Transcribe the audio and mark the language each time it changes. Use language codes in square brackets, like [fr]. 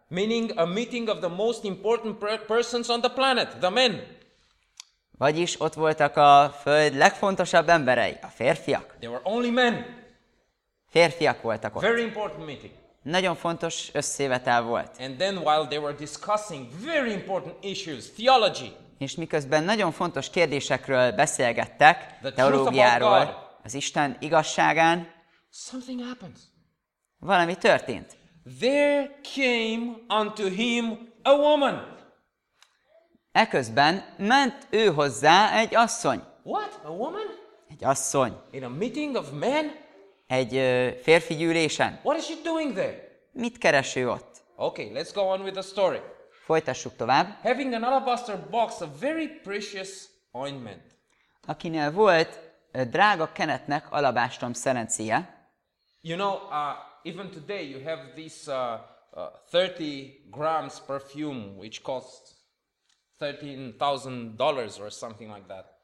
[en] Meaning a meeting of the most important persons on the planet, the men. [hu] Vagyis ott voltak a föld legfontosabb emberei, a férfiak. [en] They were only men. [hu] Férfiak voltak ott. [en] Very important meeting. [hu] Nagyon fontos összejövetel volt. [en] And then while they were discussing very important issues, theology. [hu] És miközben nagyon fontos kérdésekről beszélgettek, teológiáról, az Isten igazságán, [en] something happens. [hu] Valami történt. [en] There came unto him a woman. [hu] Eközben ment ő hozzá egy asszony. [en] What? A woman? [hu] Egy asszony. [en] In a meeting of men? [hu] Egy férfi gyűlésen. [en] What is she doing there? [hu] Mit keres ő ott? [en] Okay, let's go on with the story. [hu] Folytassuk tovább. [en] Having an alabaster box of very precious ointment. [hu] Akinél volt drága kenetnek alabástrom szerencie. [en] You know, even today you have this 30 grams perfume which costs $13,000 or something like that.